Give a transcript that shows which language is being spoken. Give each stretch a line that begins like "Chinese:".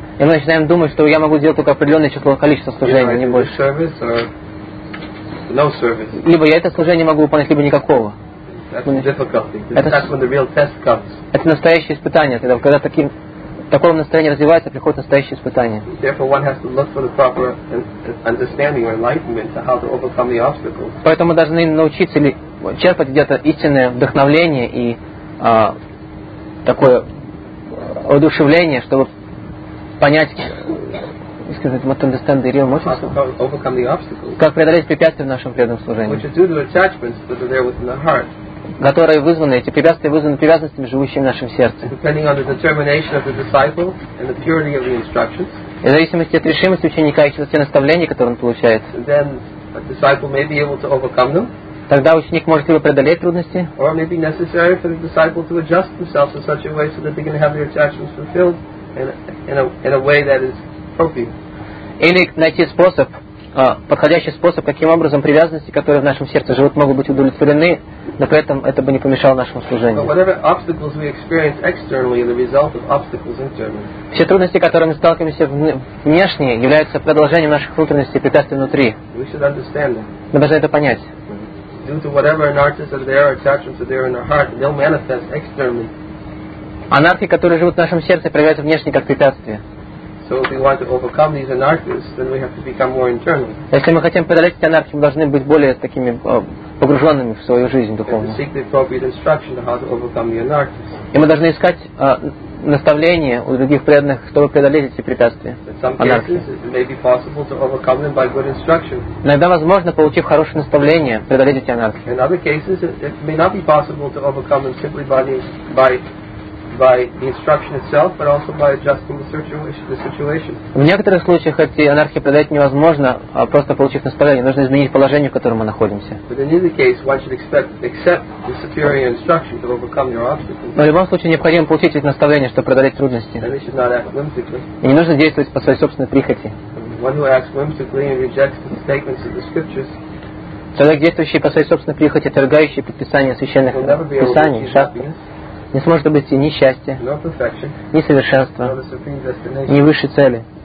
Russian: И мы начинаем думать, что я могу сделать только определенное количество служений, не больше.
English: No service.
Russian: Либо я это служение могу выполнять, либо никакого.
English: That's when the real test comes.
Russian: Это настоящее испытание. Когда такое настроение развивается, приходит настоящее испытание.
English: Therefore, one has to look for the proper understanding or enlightenment to how to overcome the obstacles.
Russian: Поэтому мы должны научиться или черпать где-то истинное вдохновление и такое воодушевление, чтобы понять. Сказать, мы
English: understand the real motives, overcome the obstacles,
Russian: как преодолеть препятствия в нашем преданном служении,
English: which is due to attachments that are there within the heart,
Russian: которые вызваны, эти препятствия вызваны привязанностями, живущими в нашем сердце,
English: depending on the determination of the disciple and the purity of the instructions,
Russian: и в зависимости от решимости ученика и от наставления, которые он получает,
English: then a disciple may be able to overcome them.
Russian: Тогда ученик может либо преодолеть трудности,
English: or it may be necessary for the disciple to adjust themselves in such a way so that they can have their attachments fulfilled in a way that is.
Russian: Или найти способ, подходящий способ, каким образом привязанности, которые в нашем сердце живут, могут быть удовлетворены, но при этом это бы не помешало нашему служению. Все трудности, которые мы сталкиваемся внешне, являются продолжением наших внутренностей и препятствий внутри. Мы должны это понять. Анархи, которые живут в нашем сердце, проявляются внешне как препятствия.
English: So if we want to overcome these anarchists, then we have to become more internal.
Russian: Если мы хотим преодолеть эти анархии, мы должны быть более такими погруженными в свою жизнь духовную.
English: And seek the appropriate instruction on how to overcome the anarchists.
Russian: И мы должны искать наставления у других преданных, чтобы преодолеть эти препятствия. Иногда возможно, получив хорошее наставление, преодолеть эти анархии.
English: In other cases, it may not be possible to overcome them simply by the instruction itself, but also by adjusting the situation.
Russian: В некоторых случаях эти анархии преодолеть невозможно, просто получив наставление. Нужно изменить положение, в котором мы находимся.
English: But in either case, one should accept the superior instruction to overcome your obstacles.
Russian: Но в любом случае необходимо получить эти наставления, чтобы преодолеть трудности.
English: And we should not act whimsically.
Russian: И не нужно действовать по своей собственной прихоти.
English: One who acts whimsically and rejects the statements of the scriptures.
Russian: Человек, действующий по своей собственной прихоти, отвергающий предписания священных писаний, не сможет обрести ни счастья, ни совершенства, ни высшей цели.